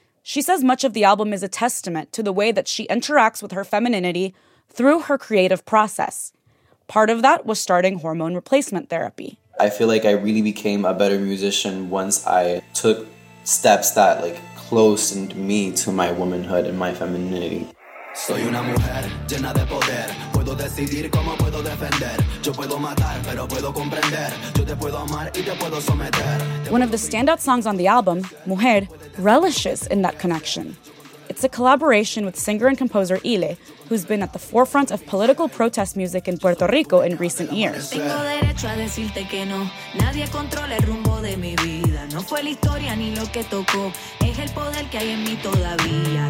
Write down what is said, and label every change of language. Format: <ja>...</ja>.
<en>She says much of the album is a testament to the way that she interacts with her femininity through her creative process. Part of that was starting hormone replacement therapy. I feel like I really became a better musician once I took steps that closened me to my womanhood and my femininity.</en> <es>Soy una mujer llena de poder. Puedo decidir cómo puedo defender. Yo puedo matar, pero puedo comprender. Yo te puedo amar y te puedo someter.</es> <en>One of the standout songs on the album, Mujer, relishes in that connection. It's a collaboration with singer and composer Ile, who's been at the forefront of political protest music in Puerto Rico in recent years.</en> <es>Tengo derecho a decirte que no. Nadie controla el rumbo de mi vida. No fue la historia ni lo que tocó. Es el poder que hay en mí todavía.</es>